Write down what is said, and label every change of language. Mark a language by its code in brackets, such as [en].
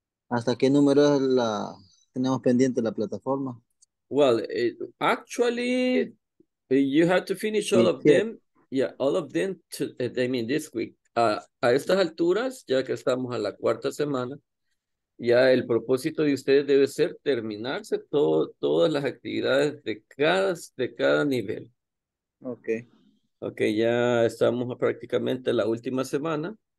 [es] ¿Hasta qué número es la tenemos pendiente la plataforma? [en] Well, actually, you have to finish all of them. Yeah, all of them, I mean, this week. [es] A estas alturas, ya que estamos a la cuarta semana, ya el propósito de ustedes debe ser terminarse todas las actividades de cada nivel. [en] Okay. [es] Okay, ya estamos a prácticamente la última semana.